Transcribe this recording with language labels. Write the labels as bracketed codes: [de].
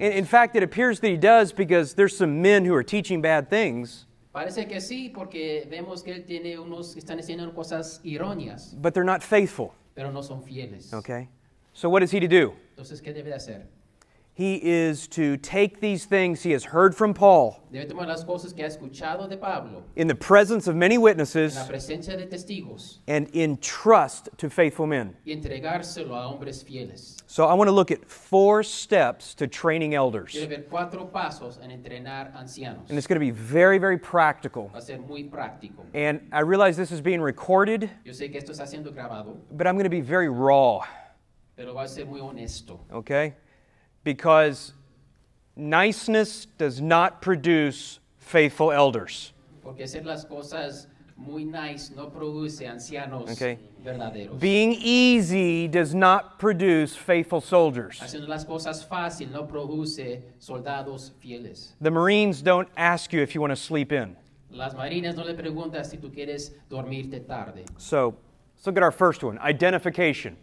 [en] In fact, it appears that he does because there's some men who are teaching bad things. [es] Parece que sí, porque vemos que él tiene unos que están haciendo cosas erróneas. [en] But they're not faithful. [es] Pero no son fieles. [en] Okay. So what is he to do? [es] Entonces, ¿qué debe de hacer? [en] He is to take these things he has heard from Paul. [es] Debe tomar las cosas que ha escuchado de Pablo. [en] In the presence of many witnesses. [es] En la presencia de testigos. [en] And entrust to faithful men. [es] Y entregárselo a hombres fieles. [en] So I want to look at four steps to training elders. [es] Quiero ver cuatro pasos en entrenar ancianos. [en] And it's going to be very, very practical. [es] Va a ser muy práctico. [en] And I realize this is being recorded. [es] Yo sé que esto está siendo grabado. [en] But I'm going to be very raw. [es] Pero va a ser muy honesto. [en] Okay? Because niceness does not produce faithful elders. [es] Porque hacer las cosas muy nice no produce ancianos okay. verdaderos. [en] Being easy does not produce faithful soldiers. [es] Haciendo las cosas fácil no produce soldados fieles. [en] The Marines don't ask you if you want to sleep in. [es] Las marinas no le preguntan si tú quieres dormirte tarde. [en] So, let's look at our first one, identification.